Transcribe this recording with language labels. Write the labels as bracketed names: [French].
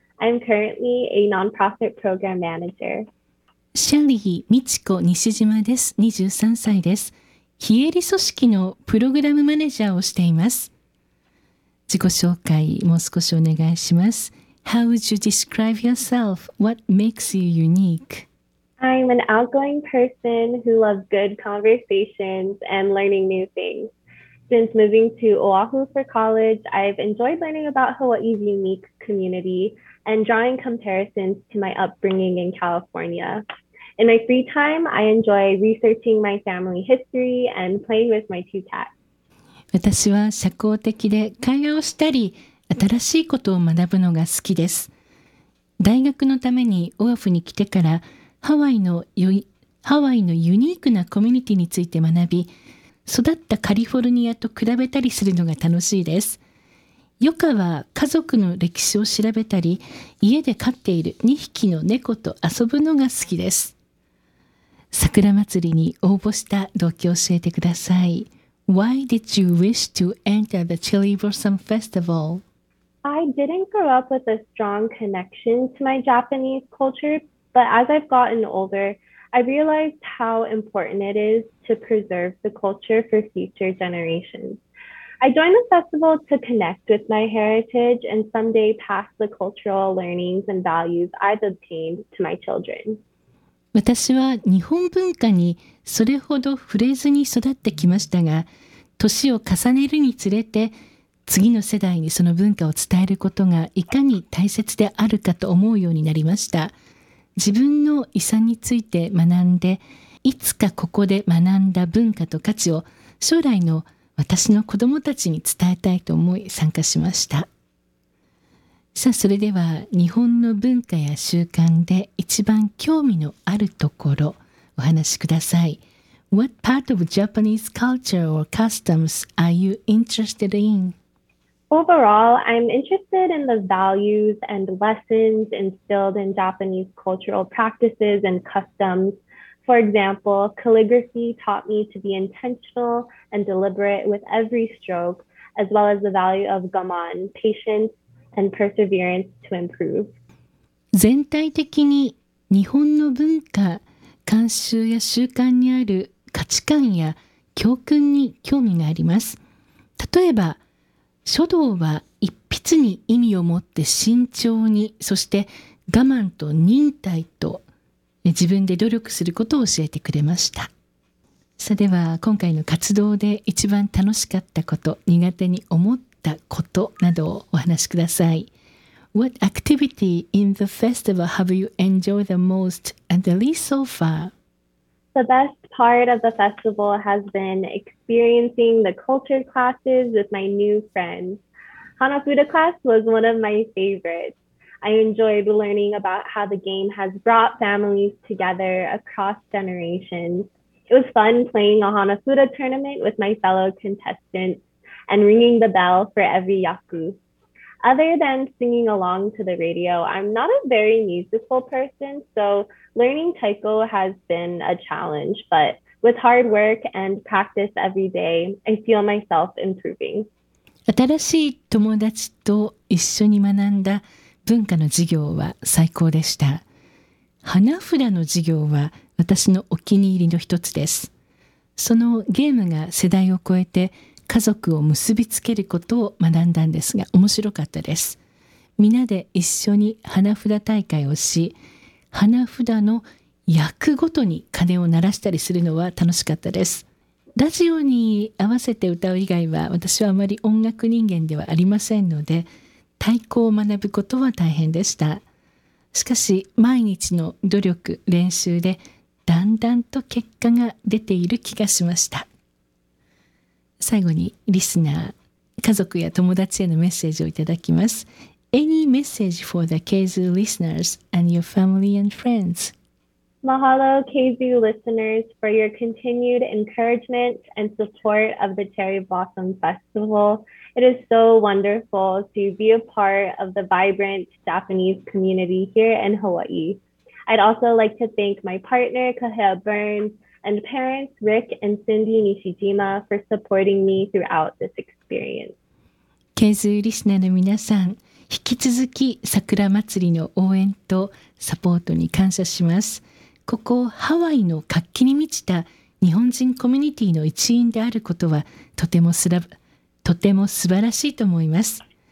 [English] I'm currently a nonprofit program manager. [Japanese] シャリー・ミチコ・ニシジマです。23歳です。非営利組織のプログラムマネージャーをしています。自己紹介もう少しお願いします。 [English] How would you describe yourself? What makes you unique? I'm an outgoing person who loves good conversations and learning new things. Since moving to Oahu for college, I've enjoyed learning about Hawaii's unique community and drawing comparisons to my upbringing in California. In my free time, I enjoy researching my family history and playing with my two cats. [Japanese] 私は社交的で会話をしたり新しいことを学ぶのが好きです。大学のためにオアフに来てからハワイのユニークなコミュニティについて学び、育ったカリフォルニアと比べたりするのが楽しいです。ヨカは家族の歴史を調べたり、家で飼っている2匹の猫と遊ぶのが好きです。桜祭りに応募した動機を教えてください。 [English] Why did you wish to enter the Chili Blossom Festival? I didn't grow up with a strong connection to my Japanese culture, but as I've gotten older, I realized how important it is to preserve the culture for future generations. I joined the festival to connect with my heritage and someday pass the cultural learnings and values I've obtained to my children. [Japanese] 私は日本文化にそれほど触れずに育ってきましたが、年を重ねるにつれて次の世代にその文化を伝えることがいかに大切であるかと思うようになりました。自分の遺産について学んで、いつかここで学んだ文化と価値を将来の私の子供たちに伝えたいと思い参加しました。さあ、それでは日本の文化や習慣で一番興味のあるところお話しください。 [English] What part of Japanese culture or customs are you interested in? Overall, I'm interested in the values and lessons instilled in Japanese cultural practices and customs. For example, calligraphy taught me to be intentional and deliberate with every stroke, as well as the value of gaman, patience,And perseverance to improve. [Japanese] 全体的に日本の文化、慣習や習慣にある価値観や教訓に興味があります。例えば、書道は一筆に意味を持って慎重に、そして我慢と忍耐と自分で努力することを教えてくれました。さあ、では今回の活動で一番楽しかったこと、苦手に思ったことなどをお話しください。 [English] What activity in the festival have you enjoyed the most and the least so far? The best part of the festival has been experiencing the culture classes with my new friends. Hanafuda class was one of my favorites. I enjoyed learning about how the game has brought families together across generations. It was fun playing a Hanafuda tournament with my fellow contestants. And ringing the bell for every yaku. Other than singing along to the radio, I'm not a very musical person, so learning taiko has been a challenge, but with hard work and practice every day, I feel myself improving. [Japanese] 新しい友達と一緒に学んだ文化の授業は最高でした。花札の授業は私のお気に入りの一つです。そのゲームが世代を超えて家族を結びつけることを学んだんですが、面白かったです。みんなで一緒に花札大会をし、花札の役ごとに鐘を鳴らしたりするのは楽しかったです。ラジオに合わせて歌う以外は私はあまり音楽人間ではありませんので、太鼓を学ぶことは大変でした。しかし毎日の努力練習でだんだんと結果が出ている気がしました。最後にリスナー、家族や友達へのメッセージをいただきます。 [English] Any message for the Keizu listeners and your family and friends? Mahalo, Keizu listeners, for your continued encouragement and support of the Cherry Blossom Festival. It is so wonderful to be a part of the vibrant Japanese community here in Hawaii. I'd also like to thank my partner, Kahea Burns, and parents Rick and Cindy Nishijima for supporting me throughout this experience. [Japanese] KZU リスナーの皆さん、引き続き桜祭りの応援とサポートに感謝します。ここハワイの活気に満ちた日本人コミュニティの一員であることはとても素晴らしいと思います。